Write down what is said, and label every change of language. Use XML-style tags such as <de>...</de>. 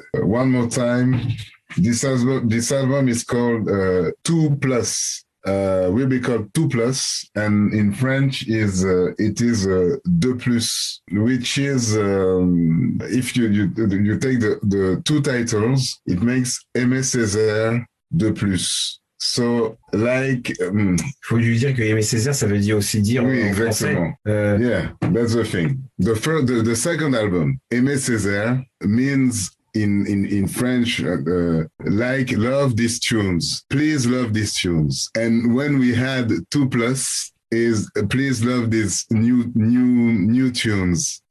<en>One more time, this album is called 2+. Will be called 2+, and in French is it is a 2+, which is if you take the two titles, it makes Aimé Césaire 2+. So like,</en> <fr>faut lui dire que Aimé Césaire, ça veut dire aussi dire. Oui, en exactement. Français.</fr> <en>Yeah, that's the thing. The first, the second album, Aimé Césaire, means in French, like love these tunes, please love these tunes. And when we had 2+, is please love this new tunes.</en>